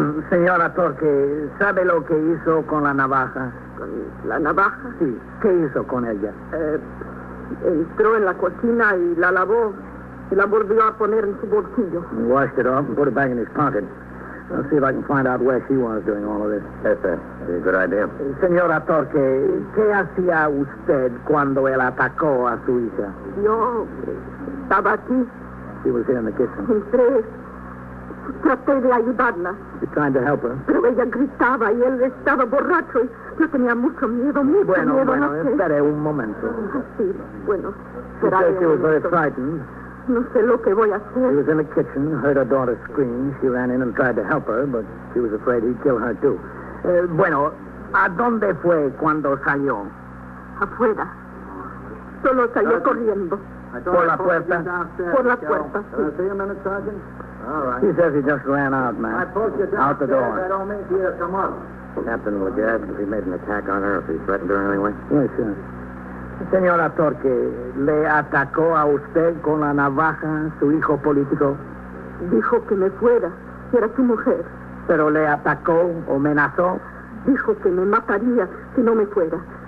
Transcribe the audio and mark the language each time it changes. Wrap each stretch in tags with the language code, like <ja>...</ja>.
<es>Señora Torque, ¿sabe lo que hizo con la navaja? ¿Con la navaja? Sí. ¿Qué hizo con ella? Entró en la cocina y la lavó. Y la volvió a poner en su bolsillo.</es> <en>He washed it off and put it back in his pocket. I'll see if I can find out where she was doing all of this. Yes, sir. That'd be a good idea.</en> <es>Señora Torque, ¿qué hacía usted cuando él atacó a su hija? Yo estaba aquí.</es> <en>She was here in the kitchen.</en> <es>Entré. Traté de ayudarla.</es> <en>You tried to help her?</en> <es>Pero ella gritaba y él estaba borracho. Yo tenía mucho miedo, mucho bueno, Bueno, no sé. Esperé un momento. Sí, bueno. Será</es> <en>she said she was very frightened.</en> <es>No sé lo que voy a hacer.</es> <en>She was in the kitchen, heard her daughter scream. She ran in and tried to help her, but she was afraid he'd kill her, too.</en> <es>Bueno, ¿a dónde fue cuando salió? Afuera. Solo salió corriendo. Por la puerta. Por la puerta.</es> <en>Can I see a minute, Sergeant? All right. He says he just ran out, man. I pulled you down out the door. I don't mean to come up. Captain, would you ask if he made an attack on her, if he threatened her in any way? Yes, sir.</en> <es>Señora Torque, ¿le atacó a usted con la navaja su hijo político? Dijo que me fuera, que era su mujer. ¿Pero le atacó o amenazó? Dijo que me mataría si no me fuera.</es>